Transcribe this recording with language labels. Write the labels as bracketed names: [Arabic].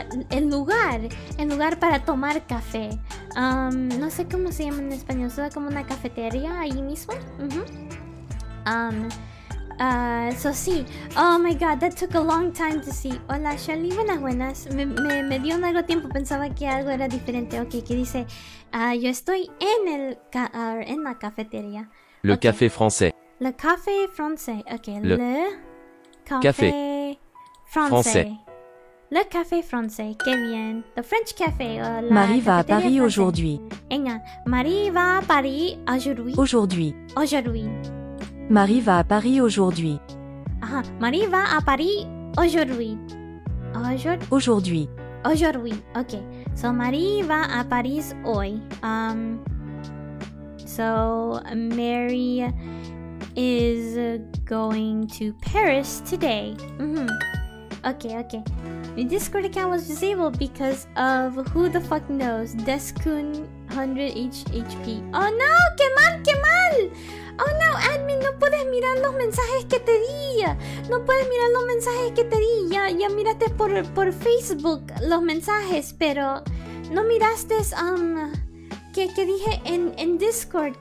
[Spanish] El lugar para tomar café. No sé cómo se llama en español, ¿suena como una cafetería ahí mismo? Uh-huh. So sí. [English] Oh my god, that took a long time to see. [Spanish] Hola Shelly, buenas. Me dio un largo tiempo, pensaba que algo era diferente. Ok, que dice, yo estoy en el en la cafetería. [French] Le café français. Le café français, ok. Le café français. Le café français, [Spanish] qué bien. [English] The French café. [French] Marie va à Paris française. Aujourd'hui. [Spanish] Venga. [French] Marie va à Paris aujourd'hui. Aujourd'hui. Aujourd'hui. Marie va à Paris aujourd'hui. Ah, Marie va à Paris aujourd'hui. Aujourd'hui. Aujourd'hui. Ok. So, Marie va à Paris hoy. So, Mary [English] is going to Paris today. Mm-hmm. Okay, okay. My Discord account was disabled because of who the fuck knows. [Spanish] Deskun 100 HP. Oh no, qué mal, qué mal. Oh no, admin, no puedes mirar los mensajes que te di. No puedes mirar los mensajes que te di. Ya miraste por Facebook los mensajes, pero no miraste que dije en Discord.